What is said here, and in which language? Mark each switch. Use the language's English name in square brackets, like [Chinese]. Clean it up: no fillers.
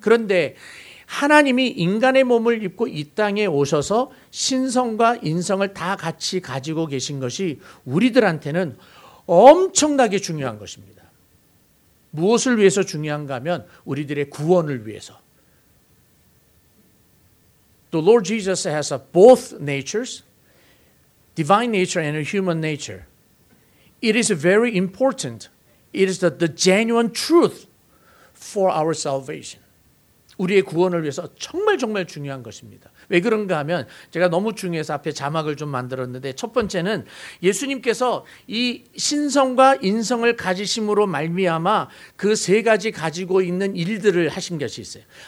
[Korean] 그런데 하나님이 인간의 몸을 입고 이 땅에 오셔서 신성과 인성을 다 같이 가지고 계신 것이 우리들한테는 엄청나게 중요한 것입니다. 무엇을 위해서 중요한가 하면 우리들의 구원을 위해서. [English] The Lord Jesus has both natures, divine nature and human nature. It is very important. It is the genuine truth for our salvation. [Korean] 우리의 구원을 위해서 정말 정말 중요한 것입니다. 왜 그런가 하면 제가 너무 중요해서 앞에 자막을 좀 만들었는데 첫 번째는 예수님께서 이 신성과 인성을 가지심으로 말미암아 그 세 가지 가지고 있는 일들을 하신 것이 있어요.